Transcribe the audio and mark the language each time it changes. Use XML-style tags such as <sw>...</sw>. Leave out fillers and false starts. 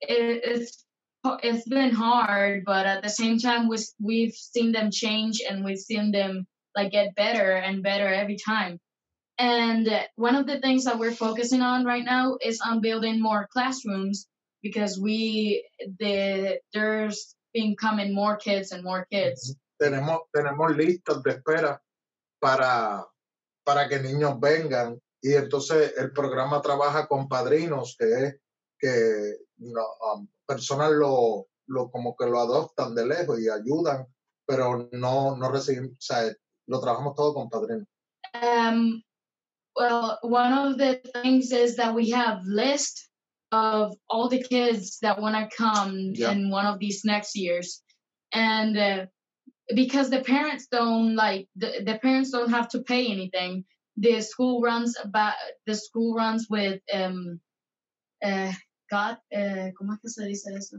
<en>It's been hard, but at the same time we've seen them change, and we've seen them like get better and better every time. And one of the things that we're focusing on right now is on building more classrooms, because there's been coming more kids and more kids.</en> <es>Tenemos listas de espera para que niños vengan, y entonces el programa trabaja con padrinos que personas lo como que lo adoptan de lejos y ayudan, pero no recibimos, o sea, lo trabajamos todo con padrino.</es> <en>Well, one of the things is that we have list of all the kids that want to come. Yeah. In one of these next years. And because the parents don't the parents don't have to pay anything, the school runs with</en> <es>¿cómo es que se dice eso?</es>